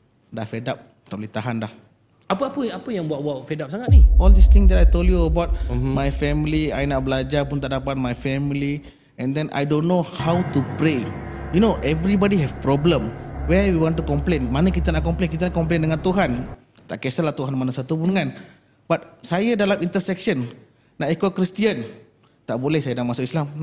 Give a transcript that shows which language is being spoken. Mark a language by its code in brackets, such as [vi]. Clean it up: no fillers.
[ms] Dah fed up, tak boleh tahan dah. Apa yang buat fed up sangat ni? [en] All these things that I told you about my family, I [ms] nak belajar pun tak dapat [en] my family. And then I don't know how to pray. You know, everybody have problem. Where we want to complain? [ms] Mana kita nak complain? Kita nak complain dengan Tuhan. Tak kisahlah Tuhan mana satu pun kan. But saya dalam intersection. Nak ikut Kristian, tak boleh saya dah masuk Islam.